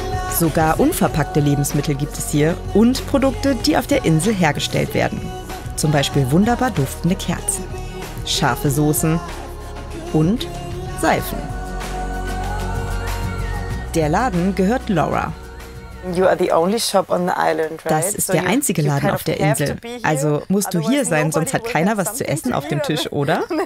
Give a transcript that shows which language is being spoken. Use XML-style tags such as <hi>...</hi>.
<de>Sogar unverpackte Lebensmittel gibt es hier und Produkte, die auf der Insel hergestellt werden. Zum Beispiel wunderbar duftende Kerzen, scharfe Soßen und Seifen. Der Laden gehört Laura.</de> <en>You are the only shop on the island, right?</en> <de>Das ist so der einzige Laden kind of auf der Insel. Also musst du hier sein, sonst hat keiner was zu essen auf dem Tisch, oder?</de>